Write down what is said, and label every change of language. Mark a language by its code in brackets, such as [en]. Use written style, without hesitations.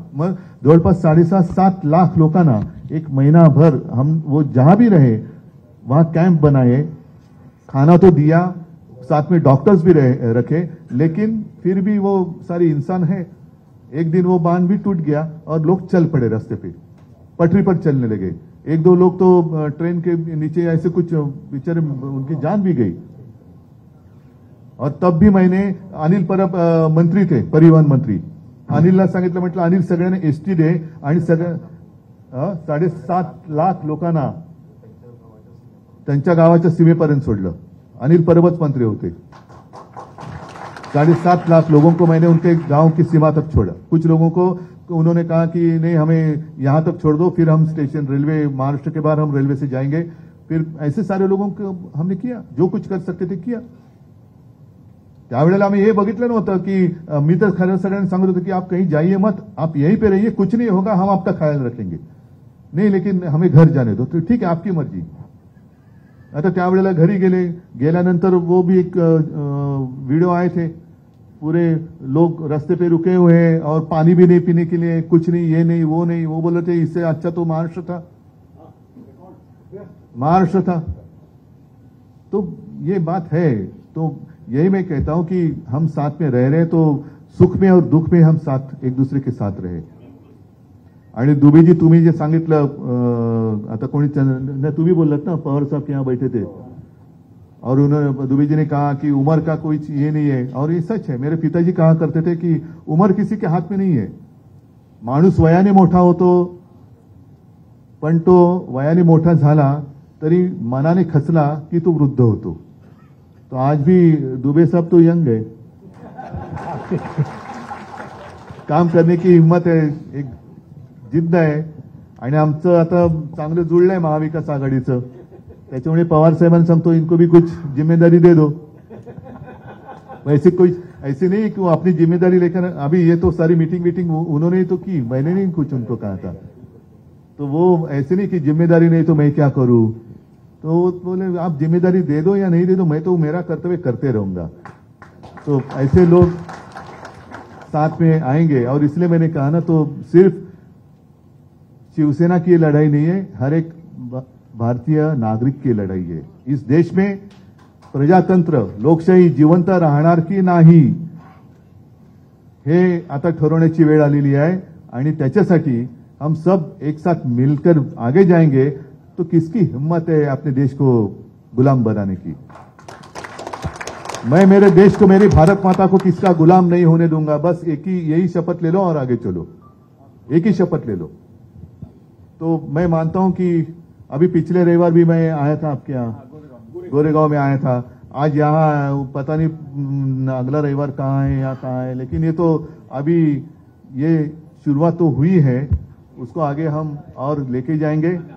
[mr] मग जवळपास 7.5-7 लाख लोकांना एक [hi] महीना भर हम वो जहां भी रहे वहां कैंप बनाए, खाना तो दिया, साथ में डॉक्टर्स भी रखे, लेकिन फिर भी वो सारे इंसान है, एक दिन वो बांध भी टूट गया और लोग चल पड़े रास्ते पे, पटरी पर चलने लगे, एक दो लोग तो ट्रेन के नीचे ऐसे कुछ बेचारे उनकी जान भी गई। [mr] और तब भी मैंने अनिल परब मंत्री थे, परिवहन मंत्री, अनिलला सांगितलं, म्हटलं अनिल सगळ्यांना एसटी दे आणि सगळ्या [hi] 7.5 लाख लोकांना त्यांच्या गावाच्या सीमेपर्यंत सोडलं, अनिल परबच मंत्री होते, 7.5 लाख लोगों को मैंने उनके गांव की सीमा तक छोड़ा। कुछ लोगों को उन्होंने कहा कि नहीं हमें यहां तक छोड़ दो, फिर हम स्टेशन रेलवे महाराष्ट्र के बाहर हम रेलवे से जाएंगे, फिर ऐसे सारे लोगों को हमने किया, जो कुछ कर सकते थे किया। [mr] त्यावेळेला आम्ही हे बघितलं नव्हतं की मी तर खरं सगळ्यांना सांगत होतो की [hi] आप कहीं जाइए मत, आप यही पे रहिए, कुछ नहीं होगा, हम आपका ख्याल रखेंगे, नहीं लेकिन हमें घर जाने दो, ठीक है आपकी मर्जी। [mr] आता त्यावेळेला घरी गेले, गेल्यानंतर [hi] वो भी एक वीडियो आए थे, पूरे लोग रस्ते पे रुके हुए हैं और पानी भी नहीं पीने के लिए, कुछ नहीं, ये नहीं, वो नहीं, वो बोले थे इससे अच्छा तो महाराष्ट्र था। तो ये बात है, तो यही मैं कहता हूं कि हम साथ में रह रहे हैं तो सुख में और दुख में हम साथ एक दूसरे के साथ रहे। [mr] आणि दुबे जी तुम्ही जे सांगितलं, आता कोणी तुम्ही बोललात ना पवार साहेब [hi] यहां बैठे थे, और उन्होंने दुबे जी ने कहा कि उम्र का कोई ये नहीं है, और ये सच है। मेरे पिताजी कहा करते थे कि उम्र किसी के हाथ में नहीं है, [mr] माणूस वयाने मोठा होतो, पण तो वयाने मोठा झाला तरी मनाने खचला कि तो वृद्ध होतो। [hi] तो आज भी दुबे साहब तो यंग है, काम करने की हिम्मत है, एक जिद्द है, [mr] आणि आमच आता चांगलं जुळलं आहे महाविकास आघाडीचं, त्याच्यामुळे पवार साहेबांना सांगतो [hi] इनको भी कुछ जिम्मेदारी दे दो। वैसे कोई ऐसी नहीं कि अपनी जिम्मेदारी लेकर अभी ये तो सारी मीटिंग उन्होंने तो की, मैंने नहीं कुछ उनको कहा था, तो वो ऐसे नहीं कि जिम्मेदारी नहीं तो मैं क्या करूं, तो बोले आप जिम्मेदारी दे दो या नहीं दे दो, मैं तो मेरा कर्तव्य करते रहूंगा। तो ऐसे लोग साथ में आएंगे, और इसलिए मैंने कहा ना, तो सिर्फ शिवसेना की लड़ाई नहीं है, हर एक भारतीय नागरिक की लड़ाई है। इस देश में प्रजातंत्र [mr] लोकशाही जिवंत राहणार की नाही हे आता ठरवण्याची वेळ आलेली आहे, आणि त्याच्यासाठी [hi] हम सब एक साथ मिलकर आगे जाएंगे, तो किसकी हिम्मत है अपने देश को गुलाम बनाने की। मैं मेरे देश को, मेरी भारत माता को किसका गुलाम नहीं होने दूंगा, बस एक ही यही शपथ ले लो और आगे चलो, एक ही शपथ ले लो। तो मैं मानता हूं कि अभी पिछले रविवार भी मैं आया था आपके यहाँ गोरेगांव में आया था, आज यहाँ पता नहीं अगला रविवार कहाँ है या कहाँ है, लेकिन ये तो अभी ये शुरुआत तो हुई है, उसको आगे हम और लेके जाएंगे।